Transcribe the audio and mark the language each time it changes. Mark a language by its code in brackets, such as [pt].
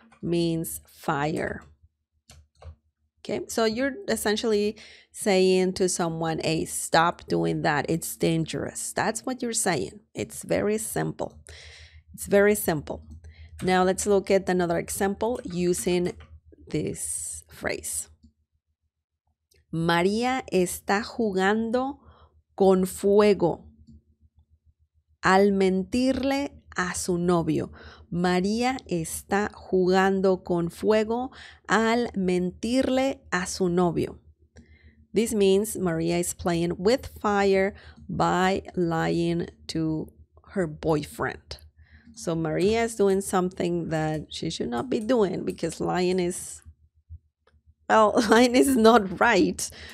[en] Means fire. Okay, so you're essentially saying to someone, hey, stop doing that. It's dangerous. That's what you're saying. It's very simple. It's very simple. Now let's look at another example using this phrase. [es] María está jugando con fuego al mentirle a su novio. María está jugando con fuego al mentirle a su novio. [en] This means María is playing with fire by lying to her boyfriend. So María is doing something that she should not be doing because lying is, well, lying is not right.